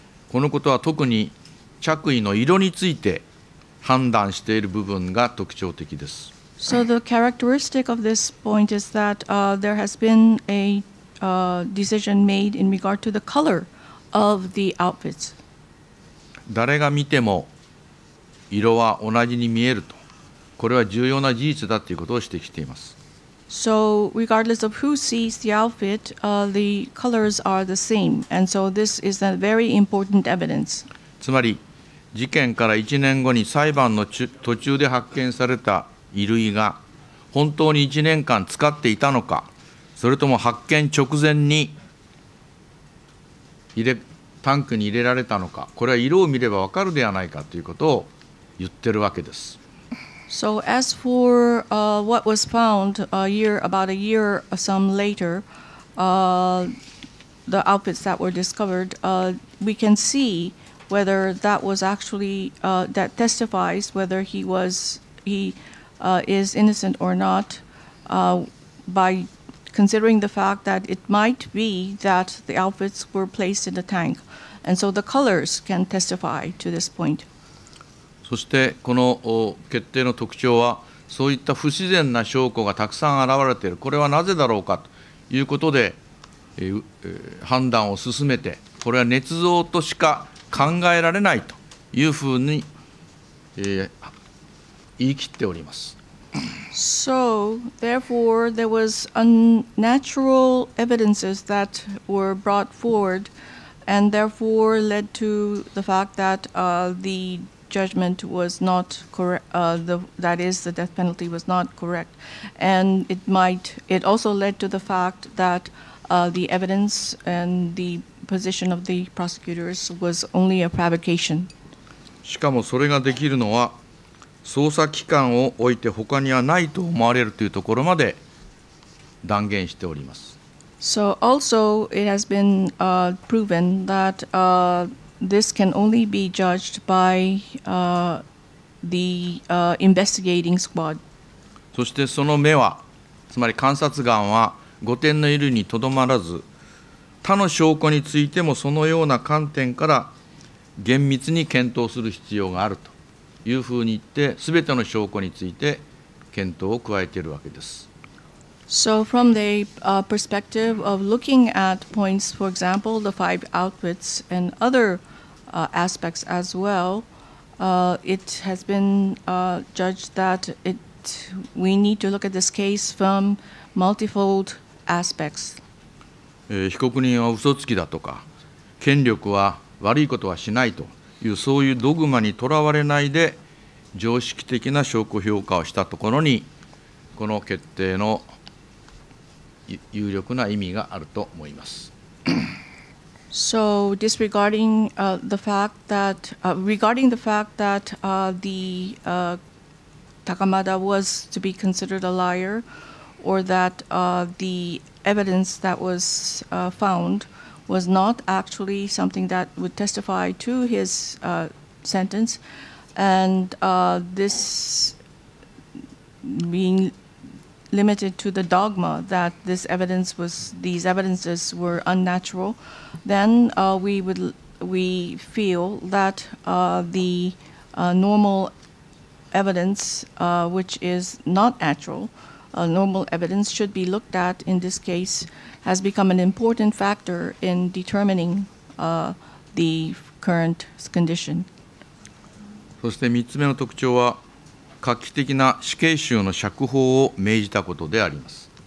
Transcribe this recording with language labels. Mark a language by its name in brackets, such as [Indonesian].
[Japanese] このことは特に着衣の色について判断している部分が特徴的です。 [English] So the characteristic of this point is that, there has been a, decision made in regard to the color of the outfits. [Japanese] 誰が見ても色は同じに見えると、これは重要な事実だということを指摘しています。 [English] So regardless of who sees the outfit, the colors are the same. And so this is a very important evidence. [Japanese] つまり事件から1年後に裁判の途中で発見された衣類が本当に1年間使っていたのか、それとも発見直前にタンクに入れられたのか、これは色を見ればわかるではないかということを言ってるわけです。 [English] So as for, what was found a year, about a year or some later, the outfits that were discovered, we can see whether that was actually, that testifies whether he was, he, is innocent or not, by considering the fact that it might be that the outfits were placed in the tank. And so the colors can testify to this point. [Japanese] そしてこの決定の特徴はそういった不自然な証拠がたくさん現れている。これはなぜだろうかということで判断を進めて、これは捏造としか考えられないとというふうに、言い切っております。 [English] So therefore there was unnatural evidences that were brought forward and therefore led to the fact that、the judgment was not correct、that is the death penalty was not correct and it also led to the fact thatthe evidence and the position of the prosecutors was only a fabrication. [Japanese] しかもそれができるのは捜査機関を置いて他にはないと思われるというところまで断言しております。 [English] So also it has been proven that this can only be judged by the investigating squad. [Japanese] そしてその目は、つまり監察官は5点の衣類にとどまらず他の証拠についてもそのような観点から厳密に検討する必要があるというふうに言って全ての証拠について検討を加えているわけです。 [English] So from the、perspective of looking at points for example the five outfits and other、aspects as well、it has been、judged that it, we need to look at this case from multifoldaspects. [Japanese] 被告人は嘘つきだとか権力は悪いことはしないというそういうドグマにとらわれないで常識的な証拠評価をしたところにこの決定の有力な意味があると思います。 [English] So disregarding、the fact that、regarding the fact that、the、Takamada was to be considered a liarOr that、the evidence that was、found was not actually something that would testify to his、sentence, and、this being limited to the dogma that this evidence was these evidences were unnatural, then、we feel that、the、normal evidence、which is not natural. Normal evidence should be looked at in this case has become an important factor in determining、the current condition. [Japanese] そして3つ目の特徴は画期的な死刑囚の釈放を命じたことであります。